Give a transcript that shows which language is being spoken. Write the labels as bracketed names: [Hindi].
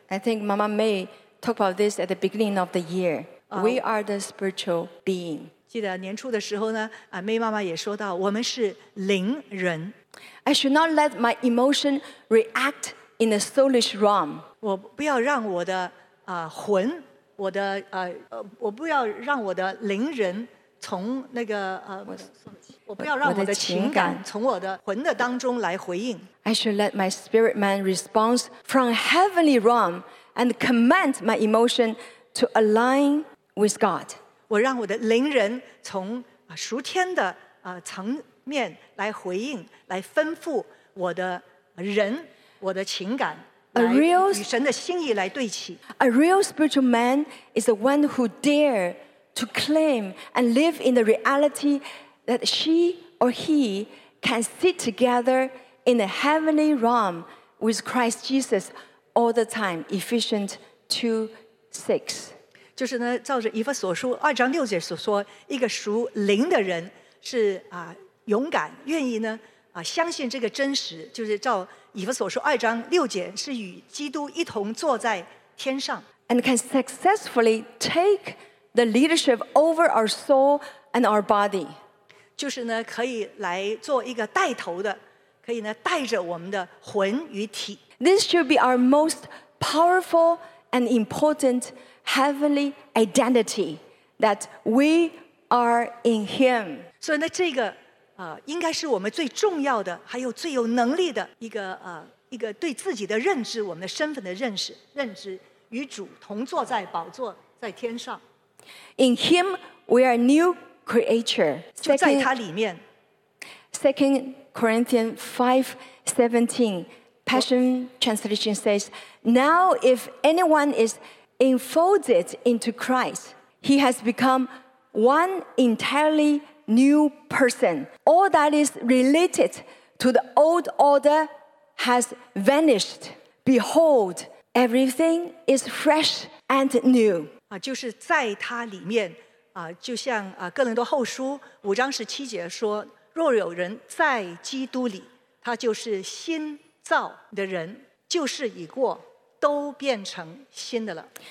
[English] I think Mama May talked about this at the beginning of the year. We are the spiritual being. [Chinese] 记得年初的时候呢，May妈妈也说到，我们是灵人。 [English] I should not let my emotion react in the soulish realm. [Chinese] 我不要让我的魂，我的我不要让我的灵人从那个我不要让我的情感从我的魂的当中来回应。 [English] I should let my spirit man respond from heavenly realm and command my emotion to align with God. [Chinese] 我让我的灵人从属天的层面来回应，来吩咐我的人，我的情感。 [English] A real spiritual man is the one who dare to claim and live in the reality that she or he can sit together in the heavenly realm with Christ Jesus all the time. Ephesians 2:6. [Chinese] 就是呢，照着以弗所书二章六节所说，一个属灵的人是勇敢，愿意呢相信这个真实，就是照。以弗所说二章六节是与基督一同坐在天上 [English] and can successfully take the leadership over our soul and our body [Chinese] 就是呢可以来做一个带头的，可以呢带着我们的魂与体。 [English] This should be our most powerful and important heavenly identity that we are in him. [Chinese] 所以呢这个应该是我们最重要的，还有最有能力的一个对自己的认知，我们的身份的认知，与主同坐在宝座在天上。 [English] In Him we are new creature. [Chinese] 就在他里面。 [English] Second Corinthians 5:17, Passion Translation says, "Now if anyone is enfolded into Christ, he has become one entirely." New person. All that is related to the old order has vanished. Behold, everything is fresh and new. [Chinese] 就是在他里面就像哥林多后书五章十七节说，若有人在基督里，他就是新造的人，旧事已过，都变成新的了。